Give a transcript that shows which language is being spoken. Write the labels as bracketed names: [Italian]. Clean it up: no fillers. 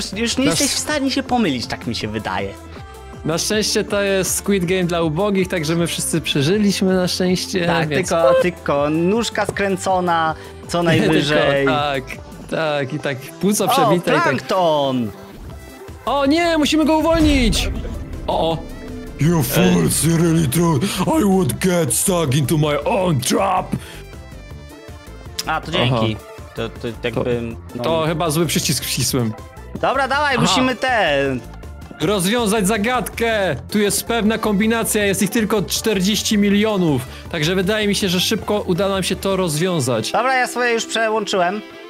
[Polish] Już nie jesteś w stanie się pomylić, tak mi się wydaje. Na szczęście to jest Squid Game dla ubogich, także my wszyscy przeżyliśmy na szczęście. Tak, więc... tylko nóżka skręcona, co najwyżej. Tak, i tak płuco przebite. O, plankton! O nie, musimy go uwolnić! O. [English] You fools, you really thought I would get stuck into my own trap! [Polish] A, to dzięki. To jakbym... To chyba zły przycisk wcisłem. Dobra, dawaj, musimy ten... Rozwiązać zagadkę! Tu jest pewna kombinacja, jest ich tylko 40 milionów. Także wydaje mi się, że szybko uda nam się to rozwiązać. Dobra, ja swoje już przełączyłem.